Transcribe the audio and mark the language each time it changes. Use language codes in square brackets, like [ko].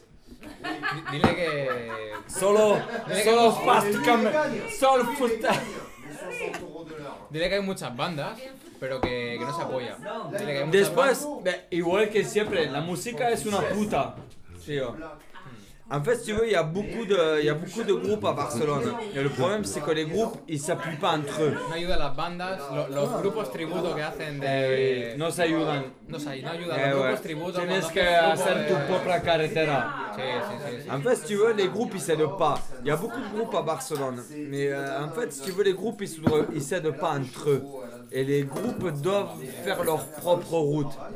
[es] Dile que dile que hay muchas bandas, pero que no se apoya. Dile que hay después bandas. Igual que siempre, la música es una puta. Sí. [fr] En fait, si tu veux, il y a beaucoup de groupes à Barcelone. Et le problème, c'est que les groupes, ils s'appuient pas entre eux. [es] No ayuda las bandas, los grupos tributo que hacen de. No se ayudan. Tienes que hacer tu propre carretera. Sí, sí, sí, sí. [fr] En fait, si tu veux, les groupes, ils s'aident pas. Il y a beaucoup de groupes à Barcelone. Mais en fait, si tu veux, les groupes, ils s'aident pas entre eux. Et les groupes doivent faire leur propre route.